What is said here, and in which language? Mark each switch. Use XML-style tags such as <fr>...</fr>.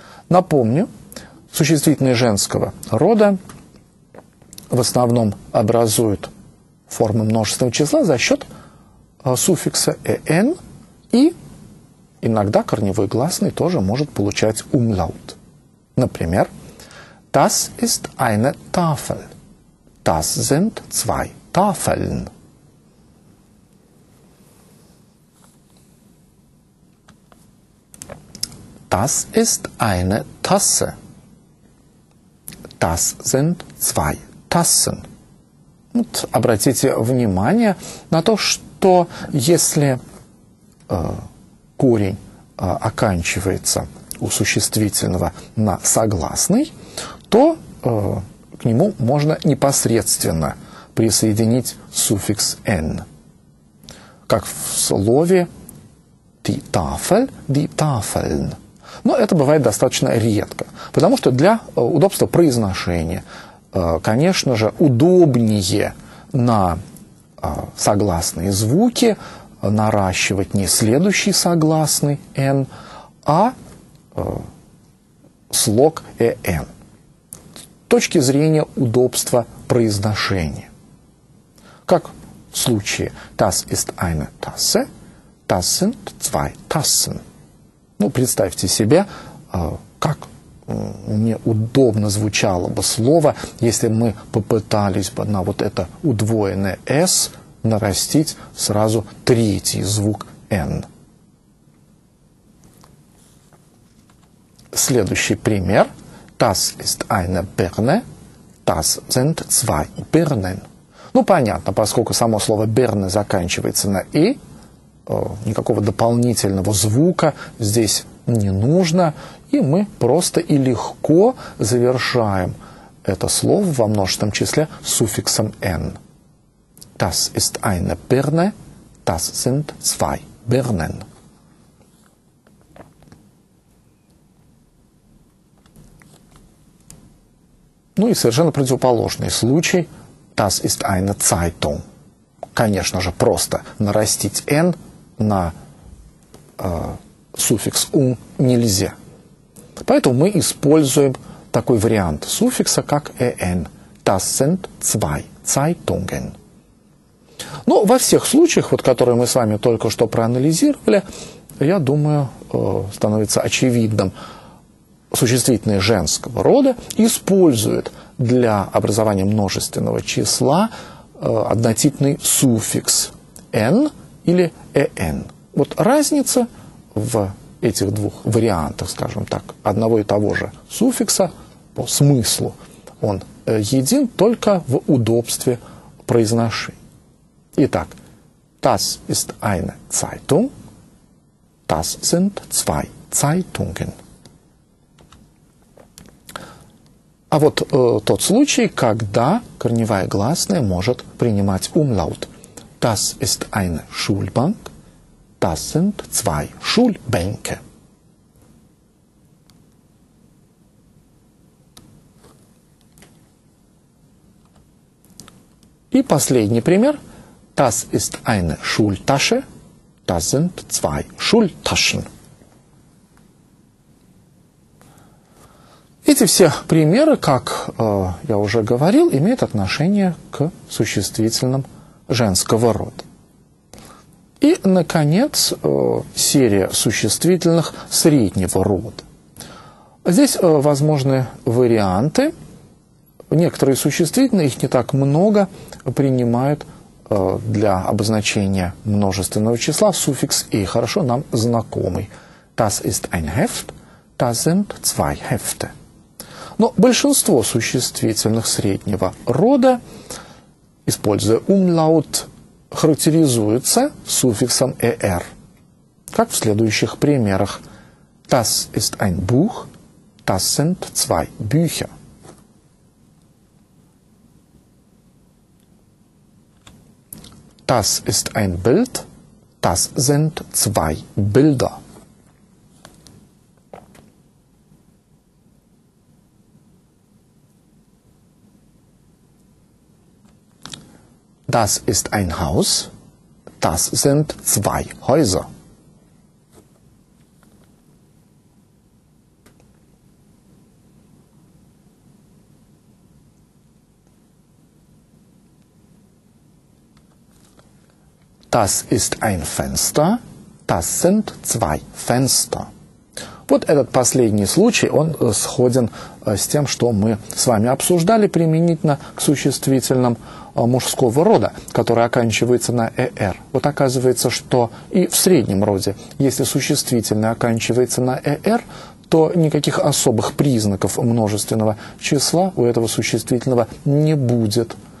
<ru>Напомню, существительные женского рода в основном образуют формы множественного числа за счет суффикса «en», и иногда корневой гласный тоже может получать «umlaut». Например,</ru> <de>«das ist eine Tafel», «das sind zwei Tafeln». «Das ist eine Tasse», «das sind zwei Tassen».</de> <ru>Вот обратите внимание на то, что если корень оканчивается у существительного на согласный, то к нему можно непосредственно присоединить суффикс «n», как в слове «t»</ru> <de>die Tafel, die Tafeln.</de> <ru>Но это бывает достаточно редко, потому что для удобства произношения, конечно же, удобнее на согласные звуки наращивать не следующий согласный «н», а слог «эн». С точки зрения удобства произношения. Как в случае</ru> <de>«das ist eine Tasse», «das sind zwei Tassen».</de> <ru>Ну, представьте себе, как мне удобно звучало бы слово, если мы попытались бы на вот это удвоенное «с» нарастить сразу третий звук «н». Следующий пример.</ru> <de>«Das ist eine Birne», «das sind zwei Birnen».</de> <ru>Ну, понятно, поскольку само слово «birne» заканчивается на «и», никакого дополнительного звука здесь не нужно, и мы просто и легко завершаем это слово во множественном числе суффиксом «н».</ru> <de>«Das ist eine Birne», «das sind zwei Birnen».</de> <ru>Ну и совершенно противоположный случай.</ru> <de>«Das ist eine Zeitung».</de> <ru>Конечно же, просто нарастить «n» на суффикс «ung» нельзя. Поэтому мы используем такой вариант суффикса, как «en».</ru> <de>«Das sind zwei Zeitungen».</de> <ru>Но во всех случаях, вот, которые мы с вами только что проанализировали, я думаю, становится очевидным, существительные женского рода используют для образования множественного числа однотипный суффикс «n» или «en». Вот разница в этих двух вариантах, скажем так, одного и того же суффикса по смыслу, он един только в удобстве произношения. Итак,</ru> <de>«das ist eine Zeitung», «das sind zwei Zeitungen».</de> <ru>А вот тот случай, когда корневая гласная может принимать умлаут.</ru> <de>«Das ist eine Schulbank», «das sind zwei Schulbänke».</de> <ru>И последний пример.</ru> <de>«Das ist eine Schultasche», «das sind zwei Schultaschen».</de> <ru>Эти все примеры, как я уже говорил, имеют отношение к существительным женского рода. И, наконец, серия существительных среднего рода. Здесь возможны варианты. Некоторые существительные, их не так много, принимают для обозначения множественного числа суффикс «и», хорошо нам знакомый.</ru> <de>«Das ist ein Heft», «das sind zwei Hefte».</de> <ru>Но большинство существительных среднего рода, используя умлаут, характеризуется суффиксом «er», как в следующих примерах.</ru> <de>«Das ist ein Buch», «das sind zwei Bücher». «Das ist ein Bild», «das sind zwei Bilder». «Das ist ein Haus», «das sind zwei Häuser». «Das ist ein Fenster», «das sind zwei Fenster».</de> <ru>Вот этот последний случай, он сходен с тем, что мы с вами обсуждали применительно к существительным мужского рода, который оканчивается на «er». Вот оказывается, что и в среднем роде, если существительное оканчивается на «er», то никаких особых признаков множественного числа у этого существительного не будет.</ru>